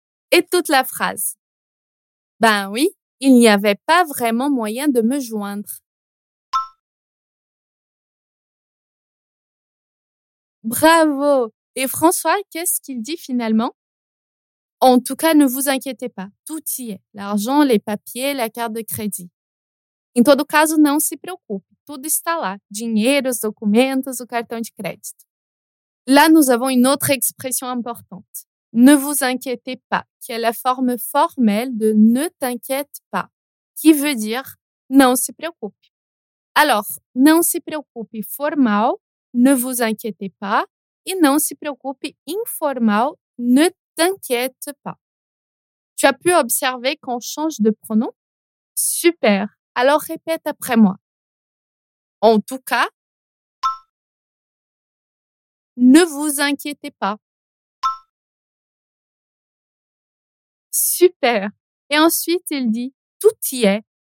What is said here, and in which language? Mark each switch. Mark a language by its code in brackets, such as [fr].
[fr] Et toute la phrase. Ben oui, il n'y avait pas vraiment moyen de me joindre. Bravo! Et François, qu'est-ce qu'il dit finalement? En tout cas, ne vous inquiétez pas, tout y est. L'argent, les papiers, la carte de crédit. [pt] Em todo caso, não se preocupe. Tudo está lá. Dinheiro, os documentos, o cartão de crédito. [fr] Là, nous avons une autre expression importante. Ne vous inquiétez pas, [pt] que é a forma [fr] formelle de ne t'inquiète pas, que veut dire [pt] não se preocupe. Alors, não se preocupe formal, [fr] ne vous inquiétez pas, [pt] e não se preocupe informal, [fr] ne t'inquiète pas. Tu as pu observer qu'on change de pronom? Super! Alors répète après moi. En tout cas, ne vous inquiétez pas. Super. Et ensuite, il dit, tout y est.